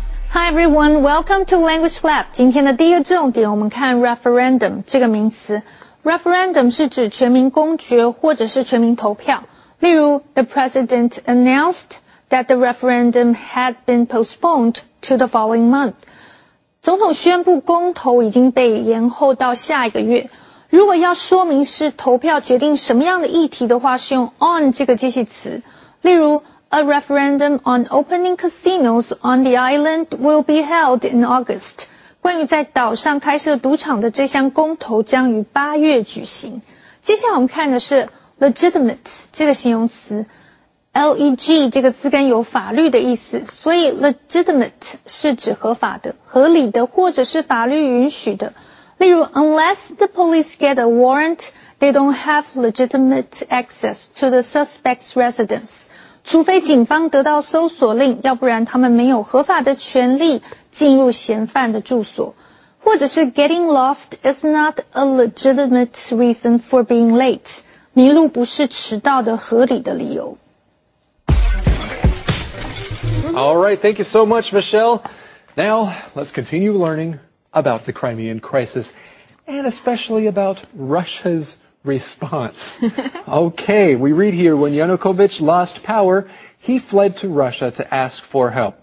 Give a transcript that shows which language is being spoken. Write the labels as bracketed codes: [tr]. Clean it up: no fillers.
[en] Hi everyone, welcome to Language Lab. [zh] 今天的第一个重点，我们看 referendum 这个名词。 Referendum 是指全民公决或者是全民投票。例如 [en] ,the president announced that the referendum had been postponed to the following month. [zh] 总统宣布公投已经被延后到下一个月。如果要说明是投票决定什么样的议题的话，是用 on 这个介系词。例如 [en] ,a referendum on opening casinos on the island will be held in August. [zh] 关于在岛上开设赌场的这项公投将于八月举行。接下来我们看的是 legitimate 这个形容词。 L-E-G 这个字根有法律的意思，所以 legitimate 是指合法的、合理的或者是法律允许的。例如 [en] ,unless the police get a warrant, they don't have legitimate access to the suspect's residence. [zh] 除非警方得到搜索令，要不然他们没有合法的权利进入嫌犯的住所。或者是 [en] getting lost is not a legitimate reason for being late. [zh] 迷路不是迟到的合理的理由。 [en] All right, thank you so much, Michelle. Now, let's continue learning about the Crimean crisis, and especially about Russia's response. Okay, we read here, when Yanukovych lost power, he fled to Russia to ask for help.